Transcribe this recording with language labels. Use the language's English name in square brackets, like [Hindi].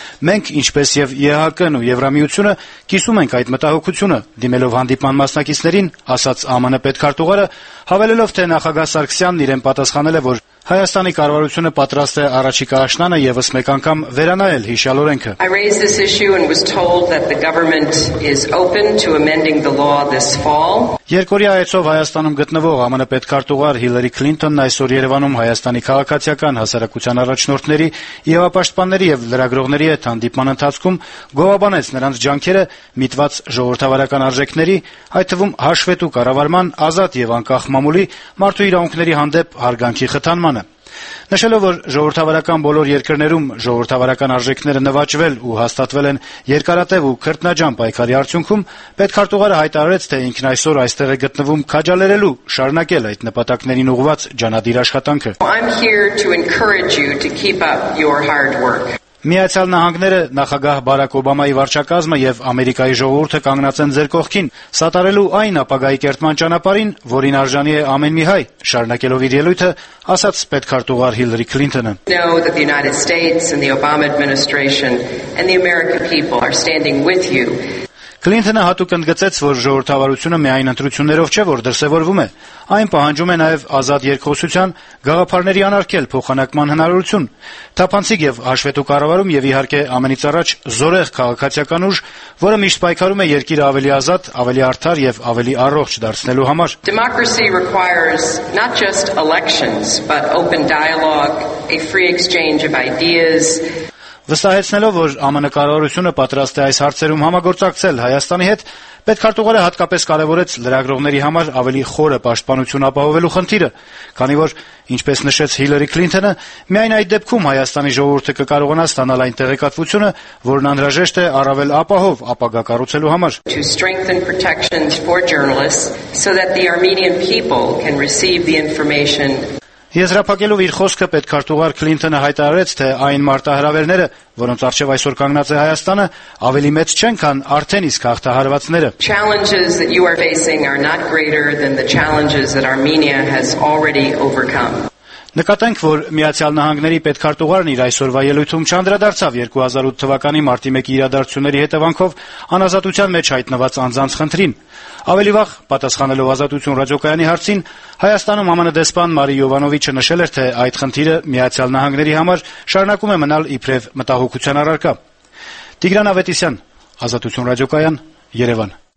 [Armenian] Մենք, ինչպես եւ ԵՀԿ-ն ու Եվրամիությունը, կիսում ենք այդ մտահոգությունը, դիմելով հանդիպման մասնակիցներին, ասաց ԱՄՆ պետքարտուղարը, հավելելով, թե նախագահ Սարգսյանն իրեն պատասխանել է, որ Հայաստանի կառավարությունը պատրաստ է առաջիկա աշնանը եւս մեկ անգամ վերանայել հիշյալ օրենքը։ [English] I raised this issue and was told that the government is open to amending the law this fall. [Armenian] Երկորի այցով Հայաստանում գտնվող ԱՄՆ պետքարտուղար Հիլարի Քլինթոնն այսօր Երևանում Հայաստանի քաղաքացիական հասարակության առաջնորդների, իեվապաշտպանների եւ լրագրողների հետ հանդիպման ընթացքում գովաբանեց նրանց ջանքերը միտված ժողովրդավարական արժեքների, այդ թվում հաշվետու կառավարման, ազատ եւ անկախ մամուլի, մարդու իրավունքների հանդեպ հարգանքի խթանմանը։ Նշելով, որ ժողովրդավարական բոլոր երկրներում ժողովրդավարական արժեքները նվաճվել ու հաստատվել են երկարատև ու քրտնաջան պայքարի արդյունքում, պետքարտուղարը հայտարարեց, թե ինքն այսօր այստեղ է գտնվում քաջալերելու շարունակել այդ նպատակներին ուղված ջանադիր աշխատանքը։ Միացյալ Նահանգները, նախագահ Բարակ Օբամայի վարչակազմը եւ Ամերիկայի ժողովուրդը կանգնած են ձեր կողքին, սատարելու այն ապագայի կերտման ճանապարհին, որին արժանի է ամեն մի հայ, շարունակելով իր ելույթը, ասաց պետքարտուղար Հիլարի Քլինթոնը. [English] The United States and the Obama administration and the American people are standing with you. [Armenian] Կլինթոնը հատուկ ընդգծեց, որ ժողովրդավարությունը միայն ընտրություններով չէ, որ դրսևորվում է, այն պահանջում է նաև ազատ երկխոսության, գաղափարների անարգել, փոխանակման հնարավորություն, թափանցիկ և հաշվետու կառավարում և իհարկե ամենից առաջ զորեղ քաղաքացիական ուժ, որը միշտ պայքարում է երկիրը ավելի ազատ, ավելի արդար և ավելի առողջ դարձնելու համար. [English] Democracy requires not just elections, but open dialogue, a free exchange of ideas. [Armenian] Վստահեցնելով, որ ԱՄՆ կառավարությունը պատրաստ է այս հարցերում համագործակցել Հայաստանի հետ, պետքարտուղարը հատկապես կարևորեց լրագրողների համար ավելի խորը պաշտպանություն ապահովելու խնդիրը, քանի որ, ինչպես նշեց Հիլարի Քլինթոնը, միայն այդ դեպքում Հայաստանի ժողովուրդը կկարողանա ստանալ այն տեղեկատվությունը, որն անհրաժեշտ է առավել ապահով ապագա կառուցելու համար. [English] To strengthen protections for journalists so that the Armenian people can receive the information. [Armenian] Եզրափակելով իր խոսքը, պետքարտուղար Քլինթոնը հայտարարեց, թե այն մարտահրավերները, որոնց առջև այսօր կանգնած է Հայաստանը, ավելի մեծ չեն, քան արդեն իսկ հաղթահարվածները. [English] Challenges that you are facing are not greater than the challenges that Armenia has already overcome. [Armenian] Նկատենք, որ Միացյալ Նահանգների պետքարտուղարն իր այսօրվա ելույթում չանդրադարձավ 2008 թվականի մարտի 1-ի իրադարձությունների հետևանքով անազատության մեջ հայտնված անձանց խնդրին։ Ավելի վաղ, պատասխանելով Ազատություն ռադիոկայանի հարցին, Հայաստանում ԱՄՆ դեսպան Մարի Յովանովիչը նշել էր, թե այդ խնդիրը Միացյալ Նահանգների համար շարունակում է մնալ իբրև մտահոգության առարկա։ Տիգրան Ավետիսյան, Ազատություն ռադիոկայան, Երևան։